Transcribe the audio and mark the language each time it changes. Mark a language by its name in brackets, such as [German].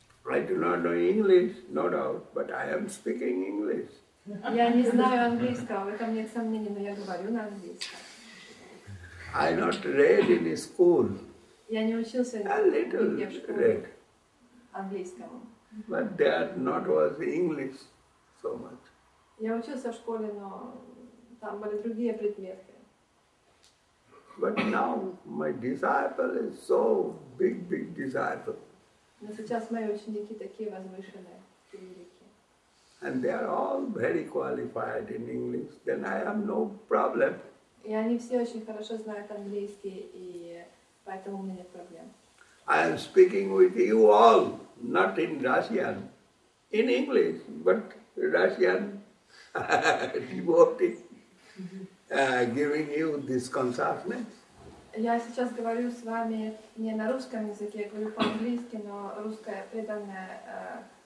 [English] I do not know English, no doubt, but I am speaking English. [Russian] Я не знаю английского, в этом нет сомнений, но я говорю на английском. [English] I not read in school. [Russian] Я не учился нигде в школе. [English] A little read. [Russian] Английскому. [English] But that not was English so much. [Russian] Я учился в школе, но там были другие предметы. [English] But now my disciple is so big, big disciple. [Russian] Но сейчас мои ученики такие возвышенные, великие. [English] And they are all very qualified in English, then I have no problem. [Russian] И они все очень хорошо знают английский, и поэтому у меня нет проблем. [English] I am speaking with you all, not in Russian, in English, but Russian devotee, giving you this consciousness. [Russian] Я сейчас говорю с вами не на русском языке, я говорю по-английски, но русская преданная...